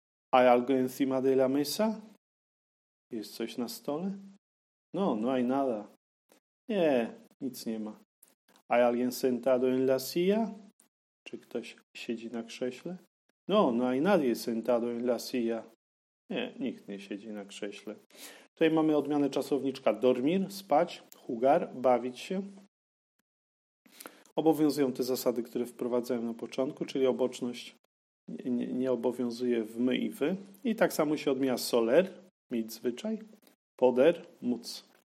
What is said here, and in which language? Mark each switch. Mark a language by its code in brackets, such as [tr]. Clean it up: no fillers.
[es] ¿Hay algo encima de la mesa? [pl] Jest coś na stole? [es] No, no hay nada. [pl] Nie, nic nie ma. [es] ¿Hay alguien sentado en la silla? [pl] Czy ktoś siedzi na krześle? [es] No, no hay nadie sentado en la silla. [pl] Nie, nikt nie siedzi na krześle. Tutaj mamy odmianę czasowniczka dormir, spać, jugar, bawić się. Obowiązują te zasady, które wprowadzałem na początku, czyli oboczność nie obowiązuje w my i wy. I tak samo się odmienia soler, mieć zwyczaj. Poder, móc.